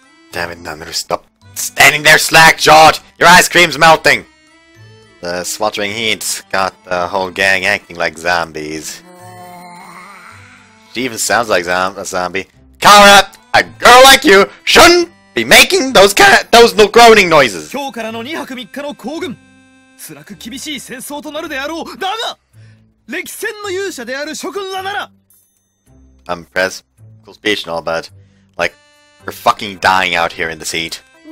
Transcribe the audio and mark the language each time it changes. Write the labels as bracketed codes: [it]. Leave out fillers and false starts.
[en] Damn it, Nanaru, stop standing there slack-jawed! Your ice cream's melting! The sweltering heat got the whole gang acting like zombies. She even sounds like a zombie. Kara, a girl like you shouldn't be making those groaning noises. [ja] 今日からの2泊3日の行軍、辛く厳しい戦争となるであろう。だが、歴戦の勇者である諸君らなら。 [en] I'm impressed. Cool speech and all, but like we're fucking dying out here in the heat.